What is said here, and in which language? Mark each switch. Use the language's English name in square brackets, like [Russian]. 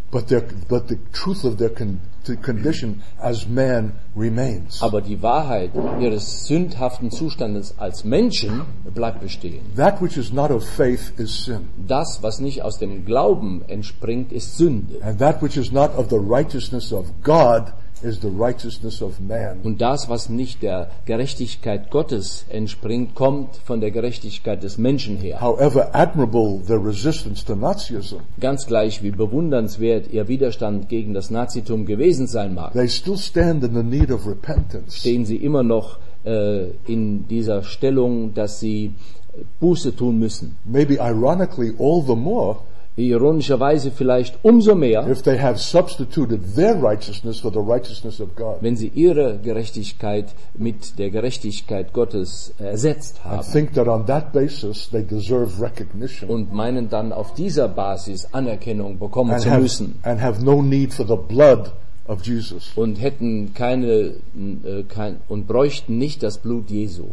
[English] But the truth of their condition as man remains. [German] Aber die Wahrheit ihres sündhaften Zustandes als Menschen bleibt bestehen. [English] That which is not of faith is sin. [German] Das, was nicht aus dem Glauben entspringt, ist Sünde. [English] And that which is not of the righteousness of God is the righteousness of man. [German] Und das, was nicht der Gerechtigkeit Gottes entspringt, kommt von der Gerechtigkeit des Menschen her. [English] However admirable their resistance to Nazism, [German] ganz gleich wie bewundernswert ihr Widerstand gegen das Nazitum gewesen sein mag, [English] they still stand in the need of repentance. [German] Stehen sie immer noch in dieser Stellung, dass sie Buße tun müssen. [English] Maybe ironically all the more, [German] ironischerweise vielleicht umso mehr, [English] if they have substituted their righteousness for the righteousness of God, [German] wenn sie ihre Gerechtigkeit mit der Gerechtigkeit Gottes ersetzt haben, [English] and think that on that basis they deserve recognition, [German] und meinen dann auf dieser Basis Anerkennung bekommen [English] and [German] zu [English] have, [German] müssen, [English] and have no need for the blood of Jesus, [German] und hätten keine und bräuchten nicht das Blut Jesu,